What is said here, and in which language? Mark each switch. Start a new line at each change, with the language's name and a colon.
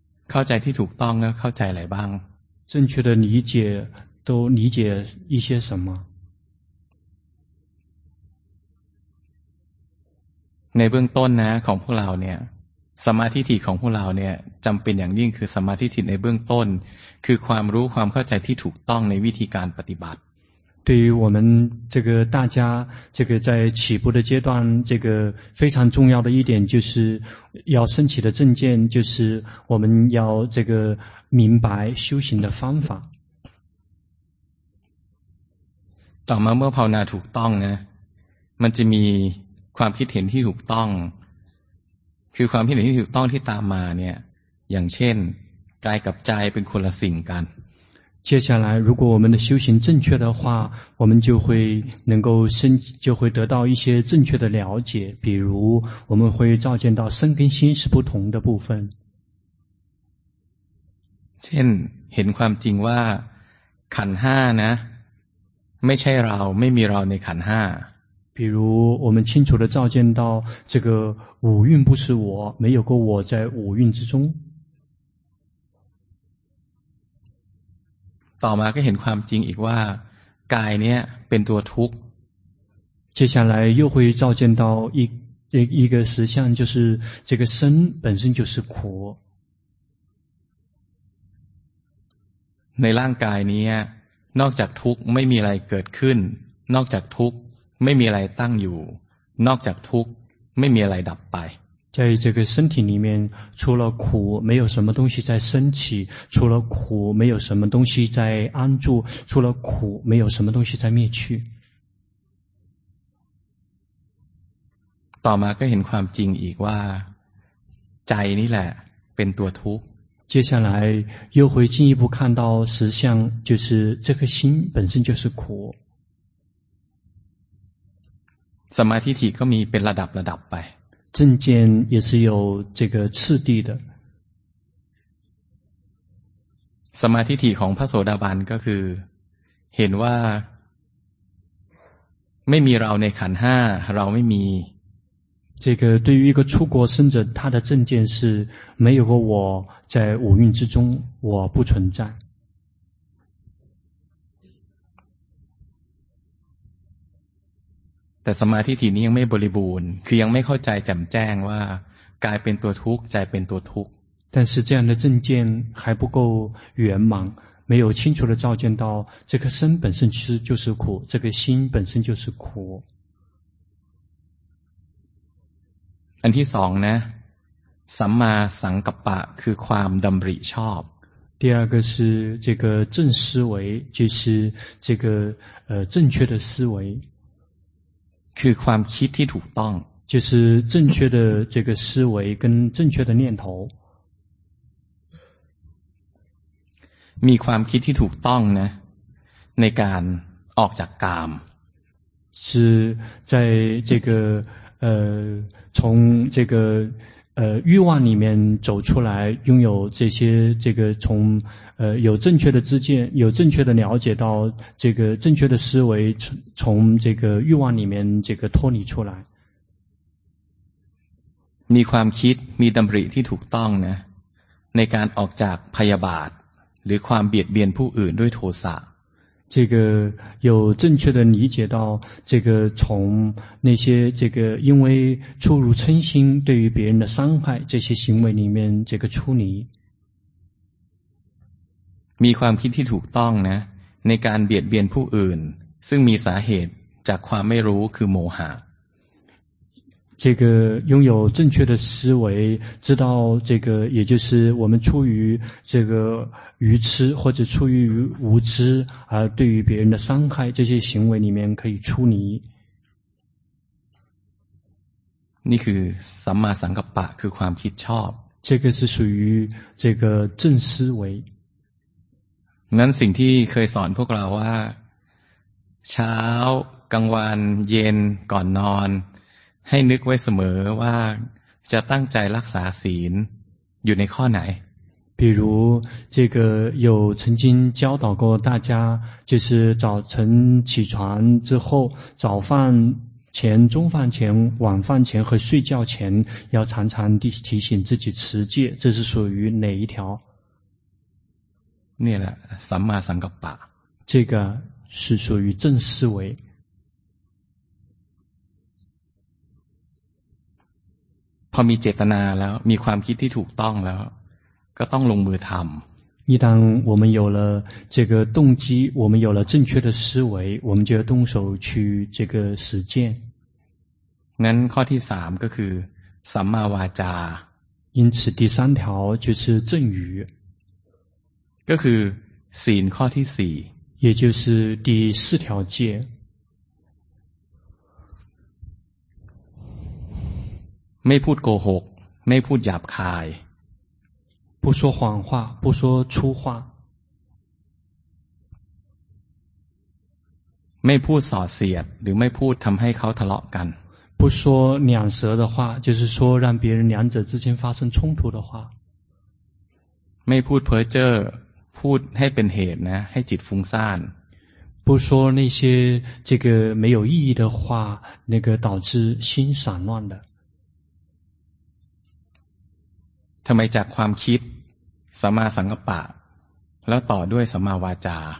Thai: เข้าใจที่ถูกต้องแล้วเข้าใจอะไรบ้าง
Chinese: 正确的理解都理解一些什么
Thai: ในเบื้องต้นนะของพวกเราเนี่ยสมาธิทิฏฐิของพวกเราเนี่ยจำเป็นอย่างยิ่งคือสมาธิทิฏฐิในเบื้องต้นคือความรู้ความเข้าใจที่ถูกต้องในวิธีการปฏิบัติ
Chinese: 对于我们这个大家这个在起步的阶段这个非常重要的一点就是要升起的正见就是我们要这个明白修行的方法
Thai: ต่อมาเมื่อภาวนาถูกต้องนะมันจะมีความคิดเห็นที่ถูกต้องคือความคิดเห็นที่ถูกต้องที่ตามมาเนี่ยอย่างเช่นกายกับใจเป็นคนละสิ่งกัน
Chinese: 接下来如果我们的修行正确的话我们就会能够升就会得到一些正确的了解比如我们会照见到身跟心是不同的部分
Thai: เช่นเห็นความจริงว่าขันธ์5นะไม่ใช่เราไม่มีเราในขันห้า
Chinese: 比如我们清楚地照见到这个五蕴不是我没有过我在五蕴之中
Thai: ต่อมาก็เห็นความจริงอีกว่ากายเนี้ยเป็นตัวทุกข์
Chinese: 接下来又会照见到一个实相就是这个身本身就是苦
Thai: ในร่างกายเนี้ยนอกจากทุกข์ไม่มีอะไรเกิดขึ้นนอกจากทุกข์ไม่มีอะไรตั้งอยู่นอกจากทุกข์ไม่มีอะไรดับไป
Chinese: 在这个身体里面除了苦没有什么东西在升起除了苦没有什么东西在安住除了苦没有什么东西在灭去
Thai: ต่อมาก็เห็นความจริงอีกว่าใจนี่แหละเป็นตัวทุกข์
Chinese: 接下来又会进一步看到实相就是这颗心本身就是苦
Thai: สมาธิทิฏฐิก็มีเป็นระดับไป
Chinese: 正见也是有这个次第的
Thai: สมาธิทิฏฐิของพระโสดาบันก็คือเห็นว่าไม่มีเราในขันธ์5เราไม่มี
Chinese: 这个对于一个出国生者他的证件是没有个我在五蕴之中我不存在
Thai: แต่สมาธิที่นี้ยังไม่บริบูรณ์คือยังไม่เข้าใจแจ่มแจ้งว่ากายเป็นตัวทุกข์ใจเป็นตัวทุกข์
Chinese: 但是这样的证件还不够圆满没有清楚的照见到这颗身本身其实就是苦这个心本身就是苦
Thai: อันที่สองนะสัมมาสังกัปปะคือความดำริชอบ
Chinese: 第二个是这个正思维就是这个正确的思维
Thai: คือความคิดที่ถูกต้อง
Chinese: 就是正确的这个思维跟正确的念头
Thai: มีความคิดที่ถูกต้องนะในการออกจากกาม
Chinese: 是在这个从这个欲望里面走出来拥有这些这个从有正确的知见有正确的了解到这个正确的思维从这个欲望里面这个脱离出来
Thai: มีความคิดมีดำริที่ถูกต้องนะในการออกจากพยาบาทหรือความเบียดเบียนผู้อื่นด้วยโทสะ
Chinese: 这个有正确的理解到这个从那些这个因为出入嗔心对于别人的伤害这些行为里面这个出离
Thai: มีความคิดที่ถูกต้องนะในการเบียดเบียนผู้อื่นซึ่งมีสาเหตุจากความไม่รู้คือโมหะ
Chinese: 这个拥有正确的思维，知道这个，也就是我们出于这个愚痴或者出于无知而对于别人的伤害，这些行为里面可以出离。那是
Thai: สัมมาสังกัปปะ，คือความคิดชอบ。
Chinese: 这个是属于这个正思维。
Thai: นั้นสิ่งที่เคยสอนพวกเราว่าเช้ากลางวันเย็นก่อนนอนให้นึกไว้เสมอว่าจะตั้งใจรักษาศีลอยู่ในข้อไหน
Chinese: 比如这个有曾经教导过大家就是早晨起床之后早饭前中饭前晚饭前和睡觉前要常常提醒自己持戒这是属于哪一条
Thai: นี่แหละสัมมาสังกัปปะ
Chinese: 这个是属于正思维
Thai: พอมีเจตนาแล้วมีความคิดที่ถูกต้องแล้วก็ต้องลงมือทำ
Chinese: 一旦我们有了这个动机我们有了正确的思维我们就要动手去这个实践
Thai: งั้นข้อที่3ก็คือสัมมาวาจา
Chinese: 因此第三条就是正语
Thai: ก็คือศีลข้อที่4
Chinese: 也就是第四条戒
Thai: ไม่พูดโกหกไม่พูดหยาบคาย
Chinese: 不说谎话不说粗话
Thai: ไม่พูดส่อเสียดหรือไม่พูดทำให้เขาทะเลาะกัน
Chinese: 不说两舌的话就是说让别人两者之间发生冲突的话
Thai: ไม่พูดเพ้อเจ้อพูดให้เป็นเหตุนะให้จิตฟุ้งซ่าน
Chinese: 不说那些这个没有意义的话那个导致心散乱的
Thai: ทำไมจากความคิดสัมมาสังกัปปะแล้วต่อด้วยสัมมาวาจา